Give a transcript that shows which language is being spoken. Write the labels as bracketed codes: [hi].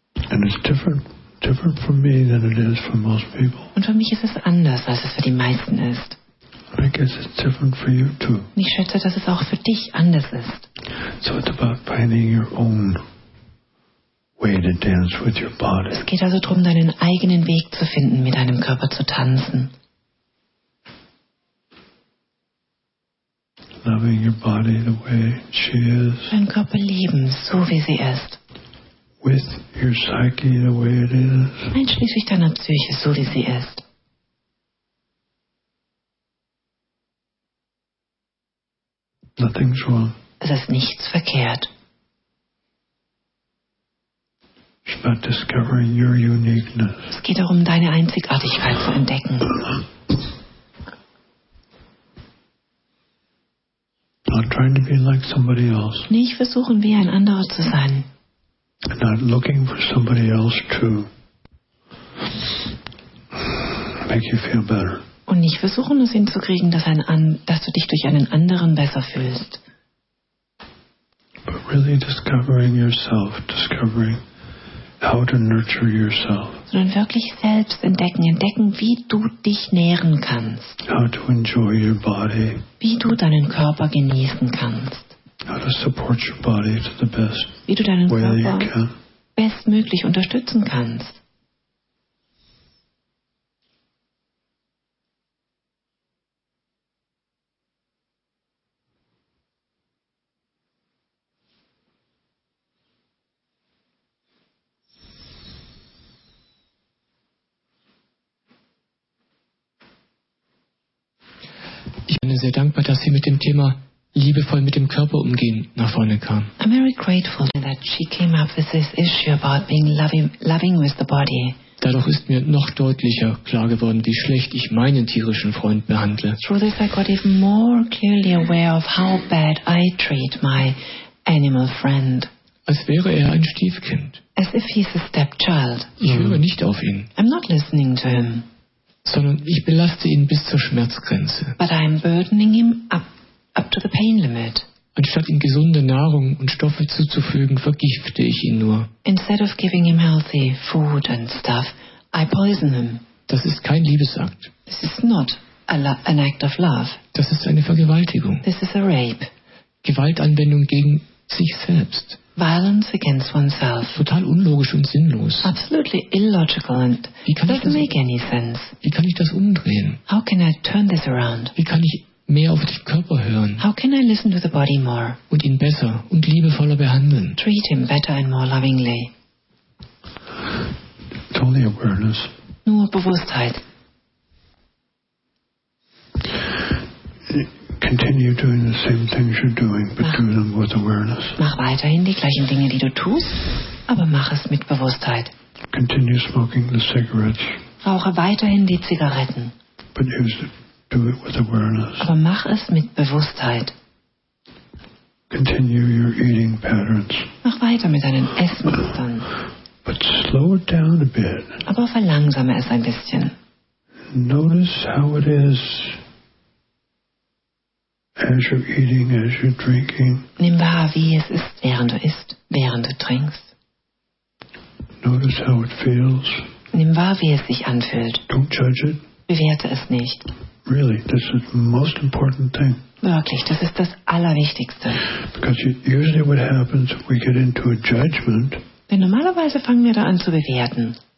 [en] And it's different for me than it is for most people. [de] Und für mich ist es anders, als es für die meisten ist. [en] I guess it's different for you too. [de] Ich schätze, dass es auch für dich anders ist. [en] So it's about finding your own way to dance with your body. [de] Es geht also darum, deinen eigenen Weg zu finden, mit deinem Körper zu tanzen. [en] Loving your body the way she is. [de] Deinen Körper lieben, so wie sie ist. [en] With your psyche the way it is. [de] Einschließlich deiner Psyche, so wie sie ist. [en] Nothing's wrong. [de] Es ist nichts verkehrt. [en] It's about discovering your uniqueness. [de] Es geht darum, deine Einzigartigkeit zu entdecken. [en] Not trying to be like somebody else. [de] Nicht versuchen, wie ein anderer zu sein. [en] Not looking for somebody else to make you feel better. [de] Und nicht versuchen, es hinzukriegen, dass du dich durch einen anderen besser fühlst. [en] But really discovering yourself, discovering how to nurture yourself. [de] Sondern wirklich selbst entdecken, wie du dich nähren kannst. [en] How to enjoy your body. [de] Wie du deinen Körper genießen kannst. [en] How to support your body to the best way you can. [de] Wie du deinen Körper bestmöglich unterstützen kannst. Ich bin sehr dankbar, dass Sie mit dem Thema liebevoll mit dem Körper umgehen nach vorne kam. [en] I'm very grateful that she came up with this issue about being loving with the body. [de] Dadurch ist mir noch deutlicher klar geworden, wie schlecht ich meinen tierischen Freund behandle. [en] Through this I got even more clearly aware of how bad I treat my animal friend. [de] Als wäre er ein Stiefkind. [en] As if he's a stepchild. [de] Ich höre nicht auf ihn. [en] I'm not listening to him. [de] Sondern ich belaste ihn bis zur Schmerzgrenze. [en] But I'm burdening him up to the pain limit. [de] Anstatt ihm gesunde Nahrung und Stoffe zuzufügen, vergifte ich ihn nur. [en] Instead of giving him healthy food and stuff, I poison him. [de] Das ist kein Liebesakt. [en] This is not an act of love. [de] Das ist eine Vergewaltigung. [en] This is a rape. [de] Gewaltanwendung gegen sich selbst. [en] Violence against oneself. [de] Total unlogisch und sinnlos. [en] Absolutely illogical and doesn't make any sense. [de] Wie kann ich das umdrehen? [en] How can I turn this around? [de] Wie kann ich mehr auf den Körper hören? [en] How can I listen to the body more? [de] Und ihn besser und liebevoller behandeln? [en] Treat him better and more lovingly. Totally awareness. [de] Nur Bewusstheit. [en] Continue doing the same things you're doing, but do them with awareness. [de] Mach weiterhin die gleichen Dinge, die du tust, aber mach es mit Bewusstheit. [en] Continue smoking the cigarettes. [de] Rauche weiterhin die Zigaretten. [en] But do it with awareness. [de] Aber mach es mit Bewusstheit. [en] Continue your eating patterns. [de] Mach weiter mit deinen Essmustern. [en] But slow it down a bit. [de] Aber verlangsame es ein bisschen. [en] Notice how it is. As you're eating, as you're drinking. [de] Nimm wahr, wie es ist, während du isst, während du trinkst. [en] Notice how it feels. [de] Nimm wahr, wie es sich anfühlt. [en] Don't judge it. [de] Bewerte es nicht. [en] Really, this is the most important thing. [de] Wirklich, das ist das Allerwichtigste. [en] Because usually what happens, we get into a judgment. [de] Denn normalerweise fangen wir da an zu bewerten.